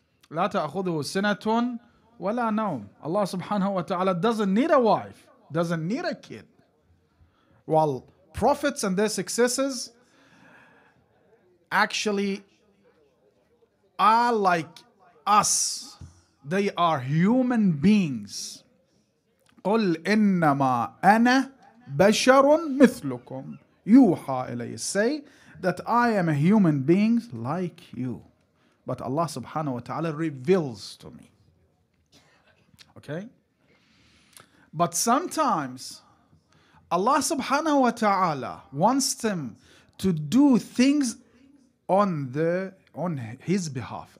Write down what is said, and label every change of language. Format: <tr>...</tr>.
<ar>لا تأخذه سنة ولا نوم.</ar> <en>Allah subhanahu wa ta'ala doesn't need a wife, doesn't need a kid. While prophets and their successors actually are like us. They are human beings.</en> <ar>قل إنما أنا بشر مثلكم يوحى إلي.</ar> <en>Say that I am a human being like you. But Allah subhanahu wa ta'ala reveals to me. Okay? But sometimes Allah subhanahu wa ta'ala wants them to do things on his behalf.</en>